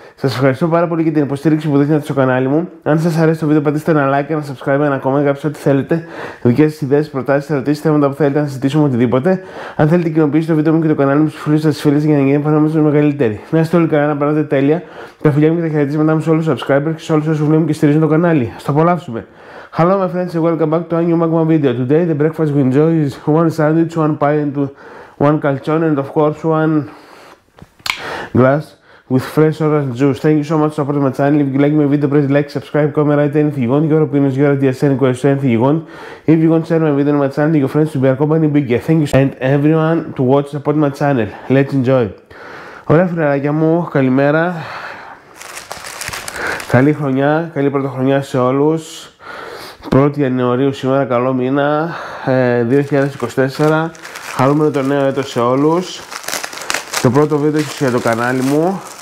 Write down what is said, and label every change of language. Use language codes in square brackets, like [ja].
[el] Σας ευχαριστώ πάρα πολύ για την υποστήριξη που δείχνετε στο κανάλι μου. Αν σας αρέσει το βίντεο, πατήστε ένα like, ένα subscribe, ένα comment, γράψτε ό,τι θέλετε. Δικές σας ιδέες, προτάσεις, ερωτήσεις, θέματα που θέλετε να συζητήσουμε, οτιδήποτε. Αν θέλετε, κοινοποιήστε το βίντεο μου και το κανάλι μου, ψηφίστε τις φίλες για να γίνει εμφανίσουμε μεγαλύτερη. Να είστε όλοι καλά, να περάσετε τέλεια. Τα φιλιά μου και τα χαιρετίσματά μου σε όλους τους subscribers και σε όλους όσους βλέπουν και στηρίζουν το κανάλι. Ας το απολαύσουμε. [en] Hello my friends and welcome back to a new Magma video. Today the breakfast we enjoy is one sandwich, one pie and one calzone and of course one glass with fresh orange juice. Thank you so much for supporting my channel. If you like my video, please like, subscribe, comment, write anything you want. Your opinions, your ideas, any questions, anything you want. If you want to share my video on my channel, your friends will be accompanying me. Yeah, thank you so much. And everyone to watch, support my channel. Let's enjoy. [el] Ωραία φιλαράκια μου, καλημέρα. Καλή χρονιά, καλή πρωτοχρονιά σε όλους. 1η Ιανουαρίου σήμερα, καλό μήνα 2024. Χαρούμενο το νέο έτος σε όλους. Το πρώτο βίντεο για το κανάλι μου.